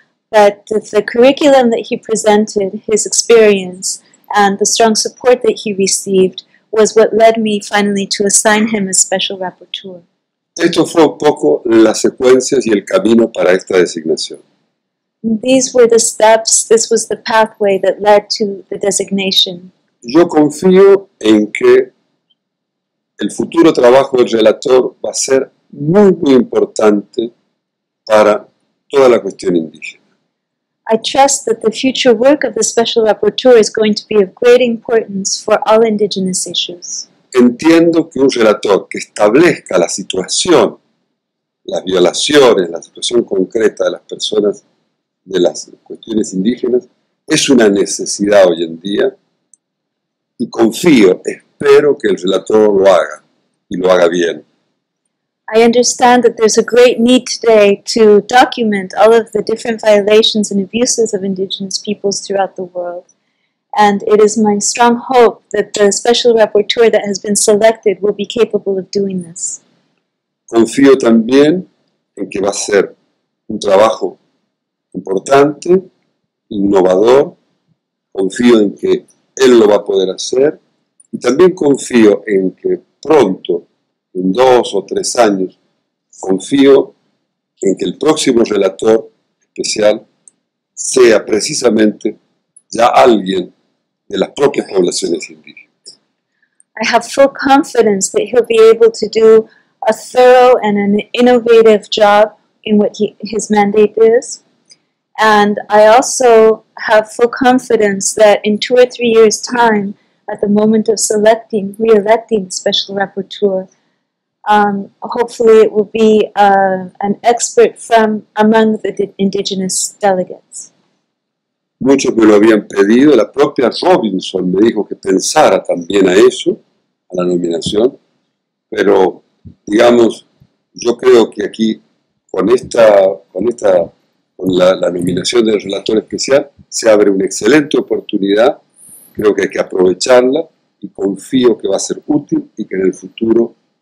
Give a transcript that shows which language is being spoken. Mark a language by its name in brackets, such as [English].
[English] But the curriculum that he presented, his experience, and the strong support that he received was what led me finally to assign him a special rapporteur. [Spanish] Esto fue un poco las secuencias y el camino para esta designación. [English] These were the steps, this was the pathway that led to the designation. [Spanish] Yo confío en que el futuro trabajo del relator va a ser muy, muy importante para toda la cuestión indígena. [English] I trust that the future work of the special rapporteur is going to be of great importance for all indigenous issues. [Spanish] Entiendo que un relator que establezca la situación, las violaciones, la situación concreta de las personas de las cuestiones indígenas, es una necesidad hoy en día, y confío, espero que el relator lo haga, y lo haga bien. [English] I understand that there's a great need today to document all of the different violations and abuses of indigenous peoples throughout the world. And it is my strong hope that the special rapporteur that has been selected will be capable of doing this. [Spanish] Confío también en que va a ser un trabajo importante, innovador. Confío en que él lo va a poder hacer. Y también confío en que pronto, en 2 o 3 años, confío en que el próximo relator especial sea precisamente ya alguien de las propias poblaciones indígenas. [English] I have full confidence that he'll be able to do a thorough and an innovative job in what his mandate is. And I also have full confidence that in 2 or 3 years' time, at the moment of selecting, re-electing the special rapporteur, hopefully it will be an expert from among the indigenous delegates. [Spanish] Muchos me lo habían pedido, la propia Robinson me dijo que pensara también a eso, a la nominación, pero, digamos, yo creo que aquí, con la nominación del relator especial, se abre una excelente oportunidad, creo que hay que aprovecharla, y confío que va a ser útil y que en el futuro,